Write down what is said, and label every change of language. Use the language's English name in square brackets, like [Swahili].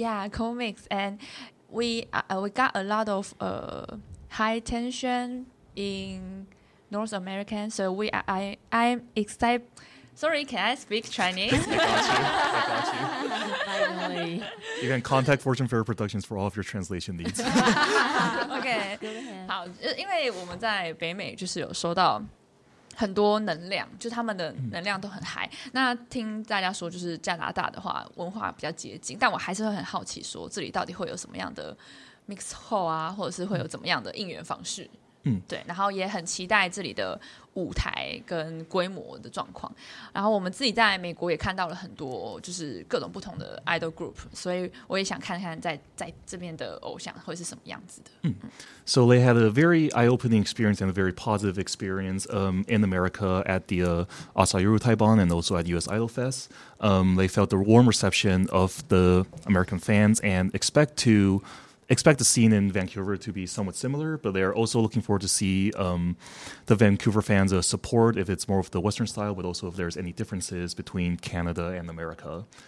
[English] Comics, and we got a lot of high tension in North America, so I'm excited. Sorry, can I speak Chinese? I got you. You can contact Fortune Fair Productions for all of your translation needs. Okay. [Chinese] 好，因为我们在北美就是有收到很多能量，就他们的能量都很high。那听大家说，就是加拿大的话，文化比较接近，但我还是会很好奇，说这里到底会有什么样的 mix hall 啊，或者是会有怎么样的应援方式？对，然后也很期待这里的舞台跟规模的状况。然后我们自己在美国也看到了很多，就是各种不同的 idol group， 所以我也想看看在这边的偶像会是什么样子的。 [English] So they had a very eye-opening experience and a very positive experience in America at the Asayuru Taibon and also at US Idol Fest. They felt the warm reception of the American fans and expect the scene in Vancouver to be somewhat similar, but they are also looking forward to see the Vancouver fans' support, if it's more of the Western style, but also if there's any differences between Canada and America.